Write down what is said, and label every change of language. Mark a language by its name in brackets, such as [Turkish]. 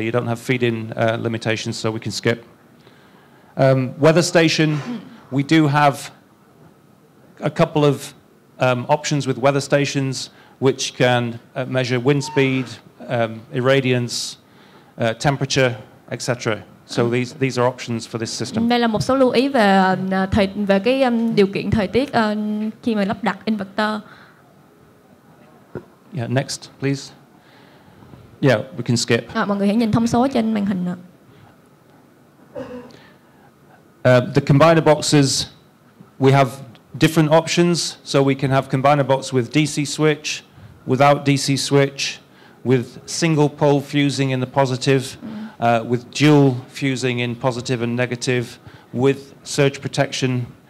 [English] You don't have feed in limitations, so we can skip. Weather station. We do have a couple of options with weather stations which can measure wind speed, irradiance, temperature, etc. So these are options for this system. [Vietnamese] Đây là một số lưu ý về về cái điều kiện thời tiết khi mà lắp đặt inverter. [English] Yeah, next, please. Yeah, we can skip. [Vietnamese] À, mọi người hãy nhìn thông số trên màn hình ạ. [English] The combiner boxes, we have different options, so we can have combiner box with DC switch, without DC switch, with single pole fusing in the positive, with dual fusing in positive and negative, with surge protection.